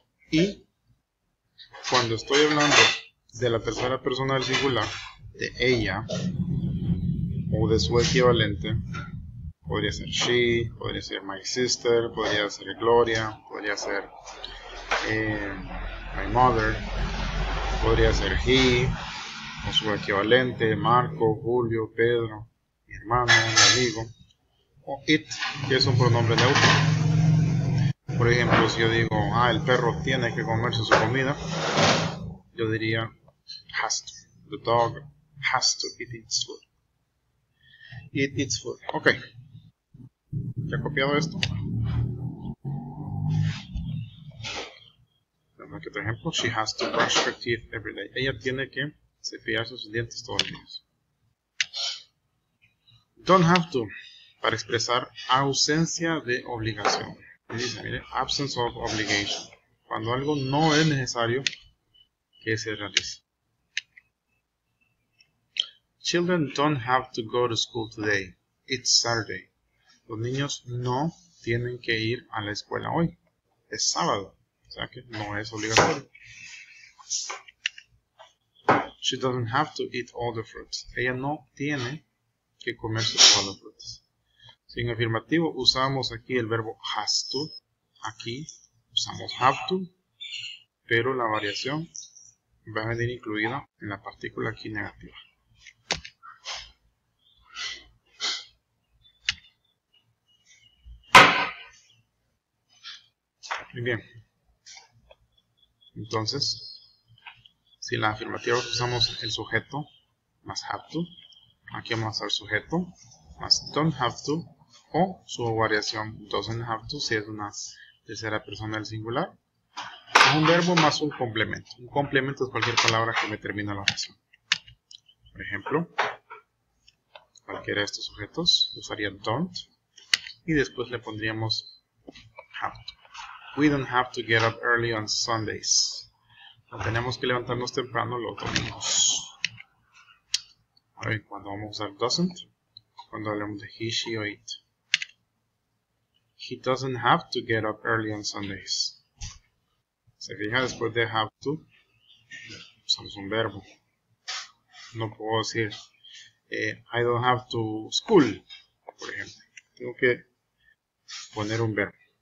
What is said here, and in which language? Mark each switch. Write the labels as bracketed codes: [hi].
[es] Y cuando estoy hablando de la tercera persona del singular, de ella o de su equivalente, podría ser she, podría ser [en] my sister, [es] podría ser Gloria, podría ser [en] my mother, [es] podría ser he o su equivalente, Marco, Julio, Pedro, mi hermano, mi amigo, o it, que es un pronombre neutro. Por ejemplo, si yo digo el perro tiene que comerse su comida, yo diría has to. [en] The dog has to eat its food. Eat its food. [es] Ok. ¿Ya he copiado esto? Tenemos aquí otro ejemplo. [en] She has to brush her teeth every day. [es] Ella tiene que cepillar sus dientes todos los días. [en] Don't have to. [es] Para expresar ausencia de obligación. Y dice, mire, [en] absence of obligation. [es] Cuando algo no es necesario que se realice. [en] Children don't have to go to school today. It's Saturday. [es] Los niños no tienen que ir a la escuela hoy. Es sábado. O sea que no es obligatorio. [en] She doesn't have to eat all the fruits. [es] Ella no tiene que comerse todas las frutas. Sin afirmativo, usamos aquí el verbo has to. Aquí usamos have to. Pero la variación va a venir incluida en la partícula aquí negativa. Muy bien. Entonces, si la afirmativa usamos el sujeto más have to, aquí vamos a usar sujeto más don't have to, o su variación doesn't have to, si es una tercera persona del singular. Es un verbo más un complemento. Un complemento es cualquier palabra que me termine la oración. Por ejemplo, cualquiera de estos sujetos usaría don't y después le pondríamos have to. [en] We don't have to get up early on Sundays. [es] No tenemos que levantarnos temprano los domingos. A ver, ¿cuándo vamos a usar doesn't? Cuando hablemos de he, she o it. [en] He doesn't have to get up early on Sundays. [es] Se fija, después de have to, usamos un verbo. No puedo decir, [en] I don't have to school. [es] por ejemplo. Tengo que poner un verbo.